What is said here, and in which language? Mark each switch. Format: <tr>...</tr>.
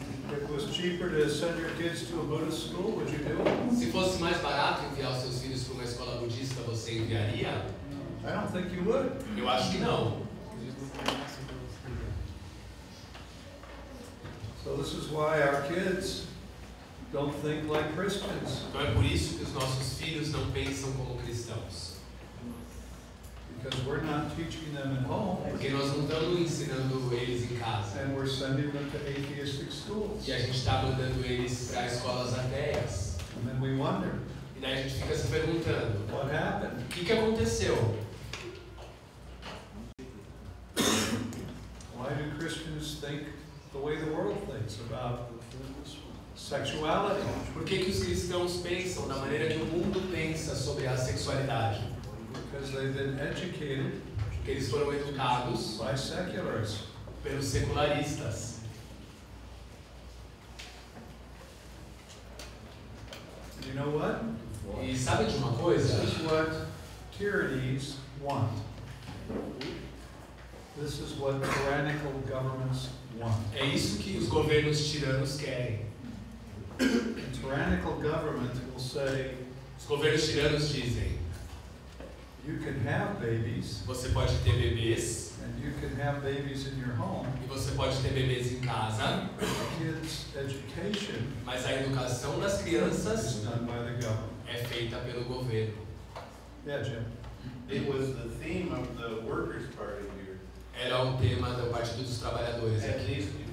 <en>If it was cheaper to send your kids to a Buddhist school, would you do it?</en> <pt>Se fosse mais barato enviar os seus filhos para uma escola budista, você enviaria?</pt> <en>I don't think you would.</en> <pt>Eu acho que não.</pt> <en>So this is why our kids don't think like Christians.</en> <pt>Então é por isso que os nossos filhos não pensam como cristãos.</pt> <en>Because we're not teaching them at home.</en> <pt>Porque nós não estamos ensinando eles em casa.</pt> <en>And we're sending them to atheistic schools.</en> <pt>E a gente está mandando eles para escolas ateias.</pt> <en>And then we wonder.</en> <pt>E daí a gente fica se perguntando.</pt> <en>What happened?</en> <pt>O que aconteceu?</pt> <en>Why do Christians think the way the world thinks about the things? Sexuality.</en> <pt>Por que que os cristãos pensam da maneira que o mundo pensa sobre a sexualidade?</pt> <en>Because they've been educated.</en> <pt>Porque eles foram educados</pt> <en>by seculars.</en> <pt>Pelos secularistas.</pt> <en>You know what?</en> <pt>E sabe de uma coisa?</pt> <en>This is what tyrannies want. This is what tyrannical governments want.</en> <pt>É isso que os governos tiranos querem.</pt> <en>A tyrannical government will say,</en> <pt>os governos tiranos dizem,</pt> <en>you can have babies,</en> <pt>você pode ter bebês,</pt> <en>and you can have babies in your home,</en> <pt>e você pode ter bebês em casa,</pt> <en>kids' education,</en> <pt>mas a educação das crianças</pt> <en>is done by the government.</en> <pt>É feita pelo governo.</pt> <en>Yeah, Jim. It was the theme of the workers' party here.</en> <pt>Era o tema do Partido dos Trabalhadores aqui.</pt>